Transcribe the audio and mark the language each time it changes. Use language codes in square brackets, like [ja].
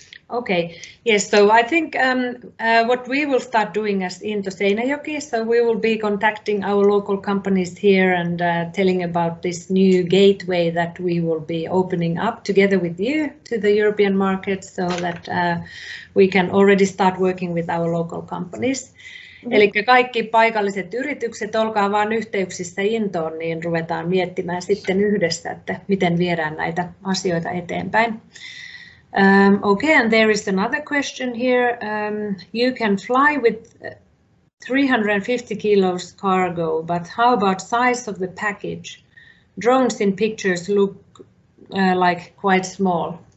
[en] Okay, yes, so I think what we will start doing as Into Seinäjoki, so we will be contacting our local companies here and telling about this new gateway that we will be opening up together with you to the European market, so that we can already start working with our local companies. Mm-hmm. [fi] Eli kaikki paikalliset yritykset, olkaa vaan yhteyksissä Intoon, niin ruvetaan miettimään sitten yhdessä, että miten viedään näitä asioita eteenpäin. [en] Okay, and there is another question here. You can fly with 350 kilos cargo, but how about size of the package? Drones in pictures look like quite small.